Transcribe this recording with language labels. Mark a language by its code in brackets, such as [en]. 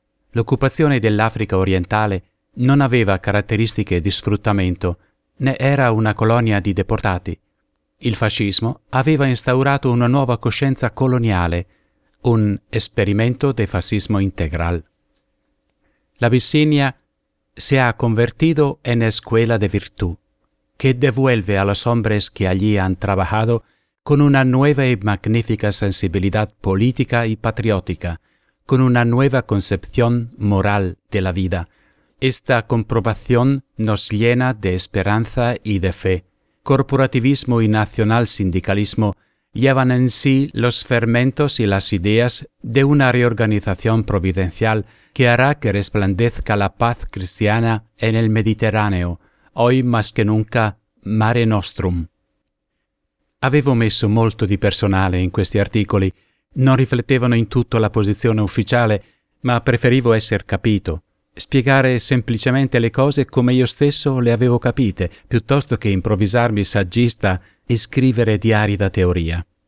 [it] L'occupazione dell'Africa orientale non aveva caratteristiche di sfruttamento, né era una colonia di deportati. Il fascismo aveva instaurato una nuova coscienza coloniale, un esperimento [es] de fascismo integral. L'Abissinia se ha convertido en escuela de virtud, que devuelve a los hombres que allí han trabajado con una nueva y magnífica sensibilidad política y patriótica, con una nueva concepción moral de la vida. Esta comprobación nos llena de esperanza y de fe. Corporativismo y nacionalsindicalismo llevan en sí los fermentos y las ideas de una reorganización providencial que hará que resplandezca la paz cristiana en el Mediterráneo, hoy más que nunca Mare Nostrum. [it] Avevo messo molto di personale in questi articoli. Non riflettevano in tutto la posizione ufficiale, ma preferivo essere capito, spiegare semplicemente le cose come io stesso le avevo capite, piuttosto che improvvisarmi saggista e scrivere diari da teoria.